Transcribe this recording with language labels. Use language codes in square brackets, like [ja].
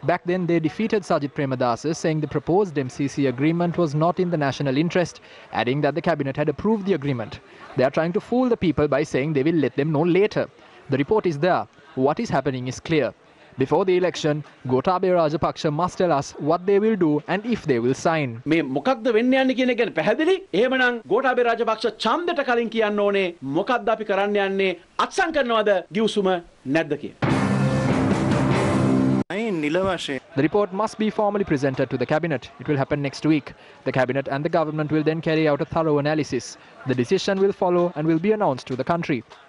[en] Back then, they defeated Sajit Premadasa, saying the proposed MCC agreement was not in the national interest, adding that the cabinet had approved the agreement. They are trying to fool the people by saying they will let them know later. The report is there. What is happening is clear. Before the election, Gotabaya Rajapaksha must tell us what they will do and if they will sign. [si] මේ මොකක්ද වෙන්න යන්නේ කියන එක ගැන පැහැදිලි. එහෙමනම් ගෝඨාභය රාජපක්ෂ ඡන්දට කලින් කියන්න ඕනේ මොකක්ද අපි කරන්න යන්නේ අත්සන් කරනවද ගිවිසුම නැද්ද කියලා. අයින් නිල වශයෙන්. [en] The report must be formally presented to the cabinet. It will happen next week. The cabinet and the government will then carry out a thorough analysis. The decision will follow and will be announced to the country.